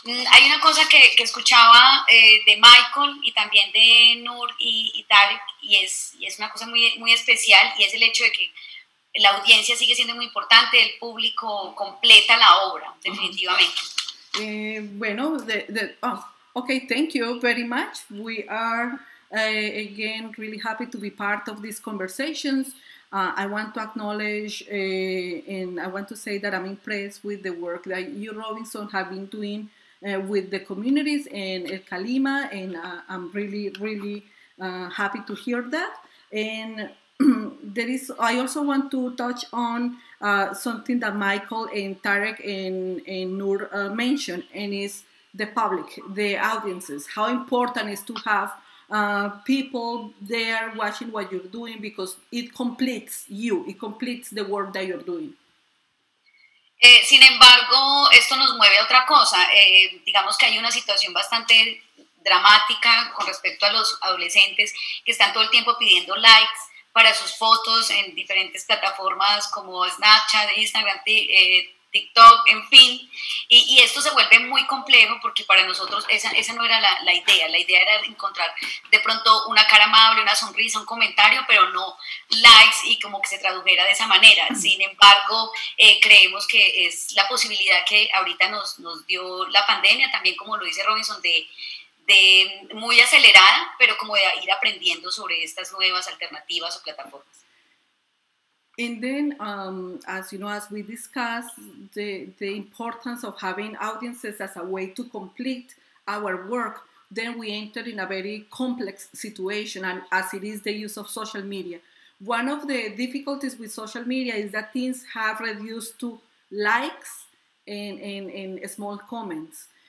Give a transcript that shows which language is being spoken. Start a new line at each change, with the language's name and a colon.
Spanish: Hay una cosa que escuchaba de Michael y también de Nur y Tarek y es una cosa muy, muy especial, y es el hecho de que la audiencia sigue siendo muy importante, el público completa la obra, definitivamente.
English: Bueno, okay, thank you very much. We are again really happy to be part of these conversations. I want to acknowledge and I want to say that I'm impressed with the work that you, Robinson, have been doing with the communities in El Calima, and I'm really, really happy to hear that. And I also want to touch on something that Michael and Tarek and Nur mentioned, and is the public, the audiences. How important it is to have people there watching what you're doing, because it completes you, it completes the work that you're doing.
Spanish: Sin embargo, esto nos mueve a otra cosa. Digamos que hay una situación bastante dramática con respecto a los adolescentes que están todo el tiempo pidiendo likes para sus fotos en diferentes plataformas como Snapchat, Instagram, TikTok, en fin. Y esto se vuelve muy complejo, porque para nosotros esa no era la idea. La idea era encontrar de pronto una cara amable, una sonrisa, un comentario, pero no likes y como que se tradujera de esa manera. Sin embargo, creemos que es la posibilidad que ahorita nos dio la pandemia, también como lo dice Robinson, de muy acelerada, pero como de ir aprendiendo sobre estas nuevas alternativas o plataformas.
English: And then, as you know, as we discussed, the importance of having audiences as a way to complete our work, then we entered in a very complex situation, and as it is the use of social media. One of the difficulties with social media is that things have reduced to likes and small comments.